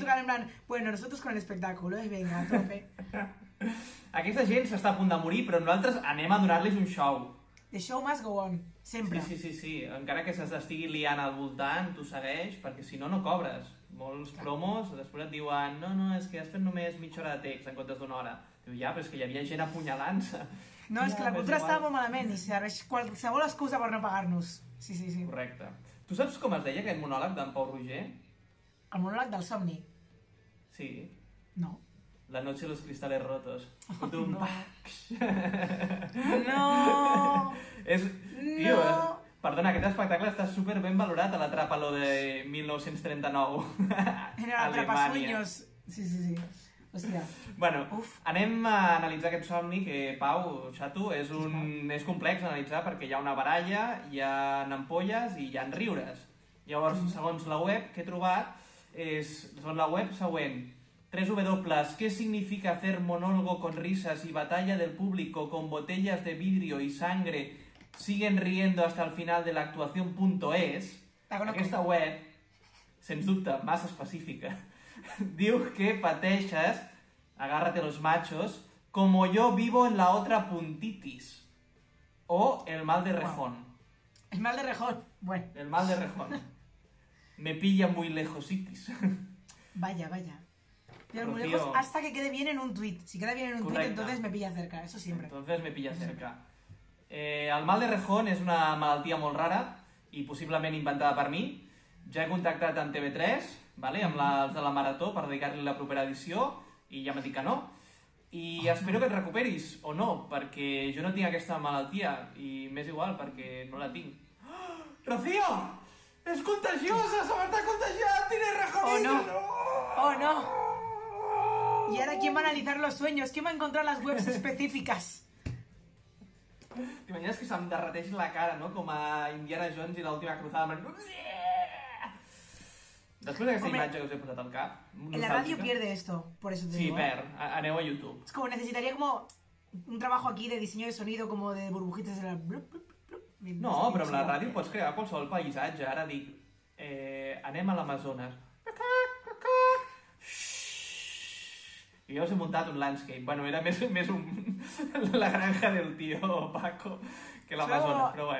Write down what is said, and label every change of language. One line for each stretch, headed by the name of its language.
Catalan: Tocant en plan,
Spanish: bueno, nosotros con el espectáculo, y venga, a tope.
Catalan: Aquesta gent s'està a punt de morir, però nosaltres anem a donar-los un show.
English: The show must go on, sempre.
Catalan: Sí, sí, sí, sí. Encara que s'estigui liant al voltant, tu segueix, perquè si no, no cobres. Molts promos, després et diuen no, és que has fet només mitja hora de text en comptes d'una hora. Diu, ja, però és que hi havia gent apunyalant-se. No, és que la cultura estava molt malament i serveix qualsevol excusa per no pagar-nos. Sí, sí, sí. Correcte. Tu saps com es deia aquest monòleg d'en Pau Roger? El monòleg del somni? Sí. No.
Spanish: La noche de los cristales rotos. Oh,
Catalan: no. No. És... No. Tio, és... Perdona, aquest espectacle està super ben valorat a l'Atrapalo de 1939. Era l'Atrapasueños. Sí, sí, sí. Hòstia. Bueno, anem a analitzar aquest somni que, Pau, xato, és complex analitzar perquè hi ha una baralla, hi ha ampolles i hi ha riures. Llavors, segons la web que he trobat, són la web següent.
Spanish: 3W, ¿qué significa hacer monólogo con risas y batalla del público con botellas de vidrio y sangre? Siguen riendo hasta el final de la actuación.es.
Catalan: Aquesta web, sens dubte, massa específica, diu que pateixes,
Spanish: agárrate los machos, como yo vivo en la otra puntitis.
Catalan: O el mal de rejón. El mal de rejón, bueno.
Spanish: El mal de rejón. Me pilla muy lejositis. Vaya, vaya. Pero muy lejos hasta que quede bien en un tuit. Si queda bien en un tuit, entonces me pilla cerca, eso siempre. Entonces me pilla cerca.
Catalan: El mal de rejón és una malaltia molt rara i possiblement inventada per mi. Ja he contactat amb TV3, ¿vale? Amb els de la Marató, per dedicar-li la propera edició, i ja m'ha dit que no. I espero que et recuperis, o no, perquè jo no tinc aquesta malaltia, i m'és igual, perquè no la tinc.
Spanish: Oh, ¡Rocío! ¡Es contagiosa!
Catalan: ¡Se m'està contagiant!
Spanish: ¡Tiene rejonillo! ¡Oh, no! ¡Oh! ¡Oh, no! ¿Y ahora quién va a analizar los sueños? ¿Quién va a encontrar las webs específicas? ¿Te imaginas que se me derreteix la cara, no?
Catalan: Com a Indiana Jones i l'última cruzada. Yeah! Després d'aquesta imatge que us he posat al cap...
Spanish: En la ràdio pierde esto, por eso te digo.
Catalan: Sí, perd. Aneu a YouTube.
Spanish: Es como, necesitaría como un trabajo aquí de diseño de sonido, como de burbujitas de la...
Catalan: No, però amb la ràdio pots crear qualsevol paisatge. Ara dic, anem a l'Amazones. I jo us he muntat un landscape. Bueno, era més un... la granja del tío Paco que l'Amazones, però bueno.